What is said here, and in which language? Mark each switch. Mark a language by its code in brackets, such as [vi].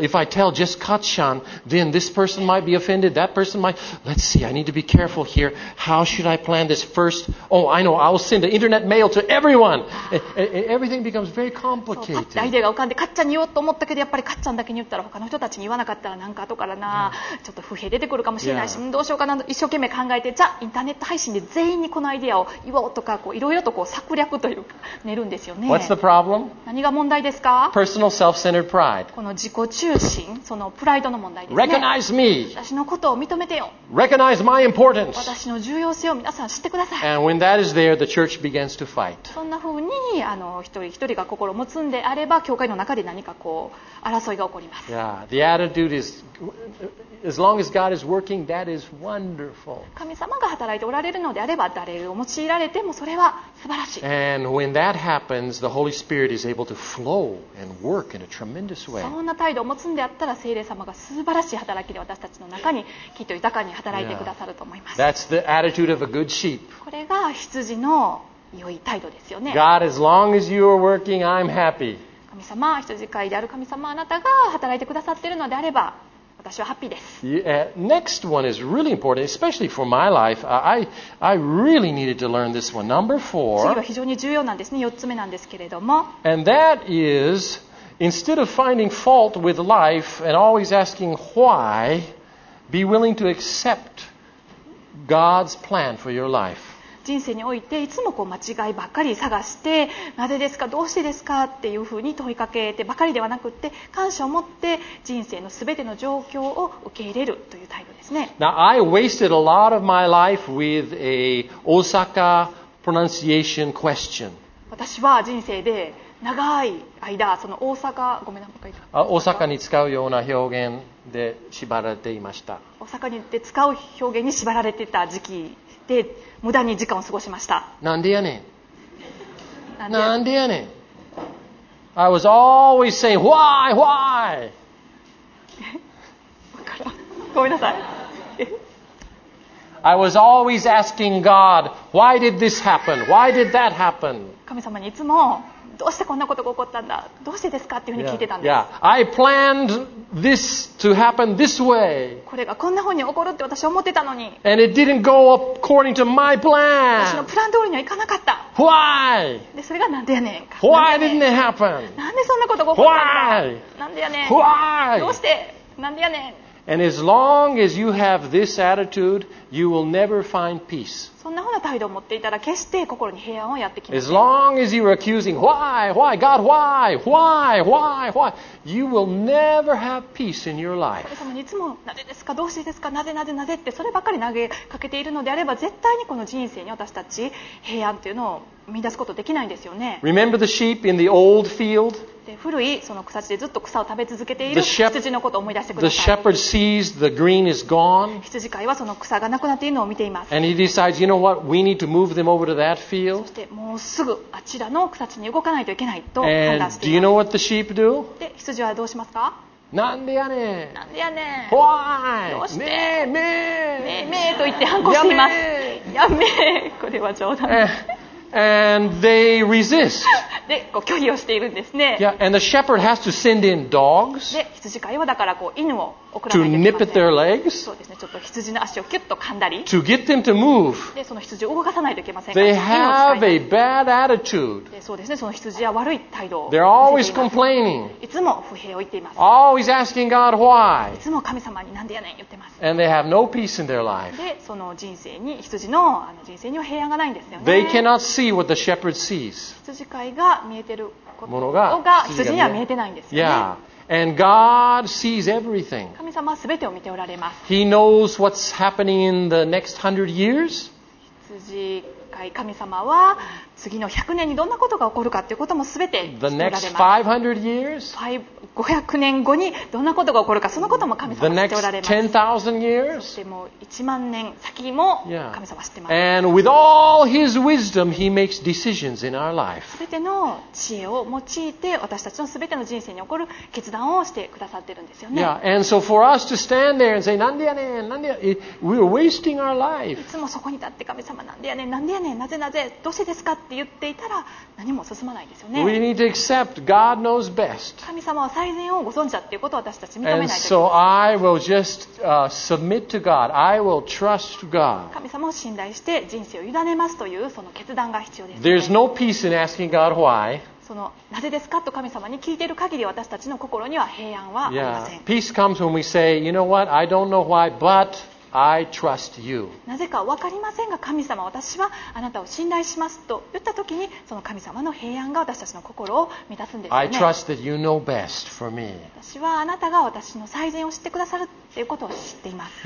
[en] If I tell just Katchan, then this person might be offended. That person might... Let's see. I need to be careful here. How should I plan this first? Oh, I know. I'll send an internet mail to everyone. Everything becomes very complicated. [ja] そう、アイデアが浮かんで Katchan に言おうと思ったけどやっぱり Katchan だけに言ったら他の人たちに言わなかったらなんか後からな、yeah. ちょっと不平出てくるかもしれないし、yeah. どうしようかな一生懸命考えてじゃあインターネット配信で全員にこのアイデアを言おうとかこういろいろとこう策略というか練るんですよね。 [en] What's the problem? [ja] 何が問題ですか。 [en] Personal self-centered pride. [ja] この自己中心そのプライドの問題ですね。 [en] Recognize me. [ja] 私のことを認めてよ。 [en] Recognize my importance. [ja] 私の重要性を皆さん知ってください。 [en] And when that is there, the church begins to fight. [ja] そんな風に一人一人が心を持つんであれば教会の中で何かこう争いが起こります。 [en] Yeah, the attitude is... As long as God is working, that is wonderful. [ja] 神様が働いておられるのであれば誰を用いられてもそれは素晴らしい。 [en] And when that happens, the Holy Spirit is able to flow and work in a tremendous way. [ja] そんな態度を持つんであったら聖霊様が素晴らしい働きで私たちの中にきっと豊かに働いてくださると思います。 [en] Yeah. That's the attitude of a good sheep. [ja] これが羊の良い態度ですよね。 [en] God, as long as you are working, I'm happy. [ja] 神様、羊飼いである神様、あなたが働いてくださっているのであれば私はハッピーです。 [en] Yeah, next one is really important, especially for my life. I really needed to learn this one. Number four. [ja] 次は非常に重要なんですね。4つ目なんですけれども。 [en] And that is, instead of finding fault with life and always asking why, be willing to accept God's plan for your life. [ja] 人生においていつもこう間違いばっかり探して、なぜですか、どうしてですかっていうふうに問いかけてばかりではなくって、感謝を持って人生のすべての状況を受け入れるという態度ですね。 [en] Now, I wasted a lot of my life with a Osaka pronunciation question. [ja] 私は人生で長い間、その大阪、ごめんなさい、大阪に使うような表現で縛られていました。大阪に行って使う表現に縛られてた時期。で無駄に時間を過ごしました。なんでやねん、なんでやねん。 [en] I was always saying why, why? [ja] ごめんなさい。 [en] I was always asking God, why did this happen? Why did that happen? [ja] 神様にいつもどうしてこんなことが起こったんだ、どうしてですかっていうふうに聞いてたんです。 [en] Yeah, yeah. I planned this to happen this way. [ja] これがこんなふうに起こるって私は思ってたのに。 [en] And it didn't go according to my plan. [ja] 私のプラン通りにはいかなかった。 [en] Why? [ja] でそれがなんでやねんか。 [en] Why didn't it happen? [ja] なんでそんなことが起こったんだ。 [en] Why? [ja] なんでやねん。 [en] Why? [ja] どうして、なんでやねん。 [en] And as long as you have this attitude, you will never find peace. [ja] そんなふうな態度を持っていたら決して心に平安をやってきません。 [en] As long as you are accusing, why, why, God, why, why, why, why, you will never have peace in your life. [ja] 神様にいつもなぜですか、どうしてですか、なぜなぜなぜってそればかり投げかけているのであれば絶対にこの人生に私たち平安というのを見出すことできないんですよね。 [en] Remember the sheep in the old field? [ja] で古いその草地でずっと草を食べ続けている羊のことを思い出してください。 [en] The shepherd sees the green is gone. [ja] 羊飼いはその草がなくなっているのを見ています。 [en] And he decides, you know, know what? We need to move them over to that field. [ja] そしてもうすぐあちらの草地に動かないといけないと判断しています。 [en] And do you know what the sheep do? [ja] で、羊はどうしますか？なんでやねん。なんでやねん。 Why? どうして？めえめえ。めえめえと言って反抗しています。やめえ。やめえ。これは冗談。 [en] And they resist. [ja] で、こう拒否をしているんですね。 [en] Yeah, and the shepherd has to send in dogs. [ja] で、羊飼いはだからこう犬を送らないといけません。 [en] To nip at their legs. [ja] そうですね。ちょっと羊の足をキュッと噛んだり。 [en] To get them to move. [ja] で、その羊を動かさないといけませんか。 [en] They have a bad attitude. [ja] で、そうですね。その羊は悪い態度。 [en] They're always complaining. [ja] いつも不平を言っています。 [en] Always asking God why. [ja] いつも神様になんでやねん言ってます。 [en] And they have no peace in their life. [ja] で、その人生に羊の、あの人生には平安がないんですよね。 [en] They cannot see. See what the shepherd sees. [ja] 羊飼いが見えてることが羊には見えてないんですよね。 [en] Yeah. And God sees everything. [ja] 神様はすべてを見ておられます。 [en] He knows what's happening in the next hundred years. [ja] 羊飼い神様は次の100年にどんなことが起こるかということもすべて知っておられます。 [en] The next 500 years. [ja] 500年後にどんなことが起こるかそのことも神様は知っておられます。 [en] The next 10,000 years. [ja] そしてもう1万年先も神様は知ってます。 [en] Yeah. And with all his wisdom, he makes decisions in our life. [ja] すべての知恵を用いて私たちのすべての人生に起こる決断をしてくださっているんですよね。 [en] Yeah. And so for us to stand there and say, [ja] なんでやねん、なんでや、 [en] we are wasting our life. [ja] いつもそこに立って神様なんでやねん、なんでやねん、なぜなぜ、どうしてですか。って言っていたら何も進まないですよね。 [en] We need to accept God knows best. [ja] 神様は最善をご存知だっていうことを私たち認めないと。 [en] And so I will just submit to God. I will trust God. [ja] 神様を信頼して人生を委ねますというその決断が必要です、ね。 [en] There's no peace in asking God why. [ja] そのなぜですかと神様に聞いている限り私たちの心には平安はありません。 [en] Yeah. Peace comes when we say, you know what? I don't know why, but I trust you. [ja] なぜか分かりませんが神様私はあなたを信頼しますと言った時にその神様の平安が私たちの心を満たすんですよね。 [en] I trust that you know best for me. [ja] 私はあなたが私の最善を知ってくださるということを知っています。